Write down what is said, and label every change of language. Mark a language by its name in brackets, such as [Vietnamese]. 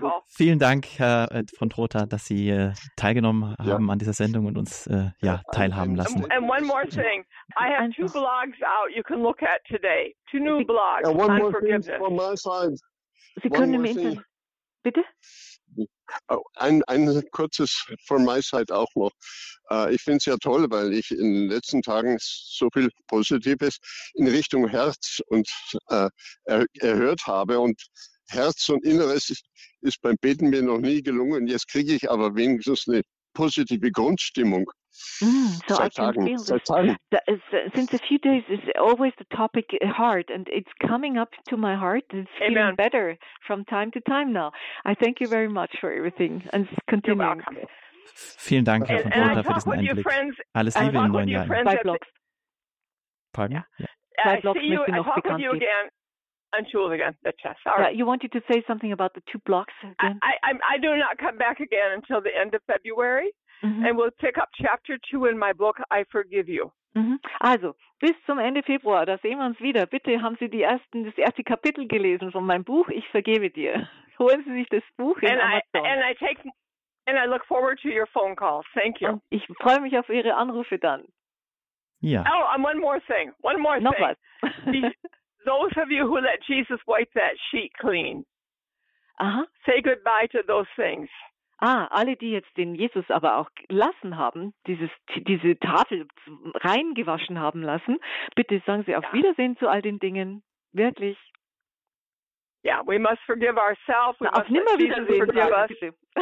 [German] Vielen Dank, Herr von Trotha, dass Sie teilgenommen haben an dieser Sendung und uns teilhaben lassen. [English] And one more thing. I have two blogs out you can look at today. Two new blogs. And one more thing from my side. [German] Sie können im Internet. Bitte? Oh, ein kurzes von meiner Seite auch noch. Ich finde es ja toll, weil ich in den letzten Tagen so viel Positives in Richtung Herz und erhört habe. Und Herz und Inneres ist beim Beten mir noch nie gelungen. Und jetzt kriege ich aber wenigstens eine positive Grundstimmung. [English] Since a few days is always the topic heart, and it's coming up to my heart. It's Amen. Feeling better from time to time now. I thank you very much for everything and continue. [German] Vielen Dank, Herr von Trotha, für diesen Einblick. Alles Liebe im neuen Jahr. [English] Bye blocks. Pardon? Yeah. Bye blocks. See you. I'll talk with you again. And Jules again, the chest. All right. Yeah, you wanted to say something about the two blocks again? I do not come back again until the end of February. Mm-hmm. And we'll pick up chapter 2 in my book, I Forgive You. Mm-hmm. [German] Also, bis zum Ende Februar, da sehen wir uns wieder. Bitte haben Sie das erste Kapitel gelesen von meinem Buch, Ich Vergebe Dir. Holen Sie sich das Buch in Amazon. [English] And I look forward to your phone calls. Thank you. [German] Und ich freue mich auf Ihre Anrufe dann. Ja. [English] Oh, and one more thing. [German] Noch was. [English] Those of you who let Jesus wipe that sheet clean, aha, say goodbye to those things. [German] Ah, alle, die jetzt den Jesus aber auch gelassen haben, diese Tafel reingewaschen haben lassen, bitte sagen Sie auf Wiedersehen zu all den Dingen. Wirklich. [English] Yeah, we must forgive ourselves. We [German] auf nimmer Wiedersehen.